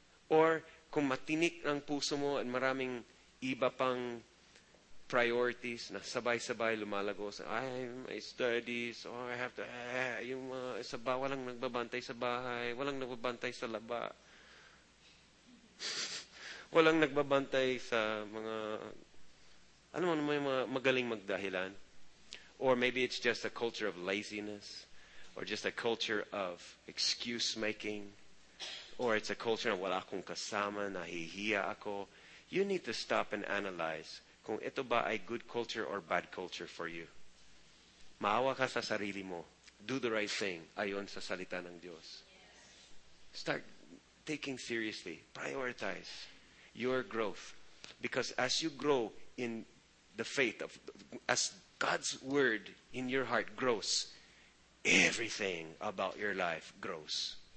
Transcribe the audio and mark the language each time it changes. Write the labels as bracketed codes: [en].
[tl] Or kung matinik ang puso mo at maraming iba pang priorities na sabay-sabay lumalago sa [en] my studies, or I have to [tl] sa bahay, walang nagbabantay sa bahay, walang nagbabantay sa laba, walang nagbabantay sa mga alam mo, may mga magaling magdahilan. [en] Or maybe it's just a culture of laziness, or just a culture of excuse making, or it's a culture of [tl] wala akong kasama, nahihiya ako. [en] You need to stop and analyze [tl] kung ito ba ay [en] good culture or bad culture for you. [tl] Maawa ka sa sarili mo. [en] Do the right thing [tl] ayon sa salita ng Diyos. [en] Start taking seriously. Prioritize your growth. Because as you grow in the faith, as God's word in your heart grows, everything about your life grows.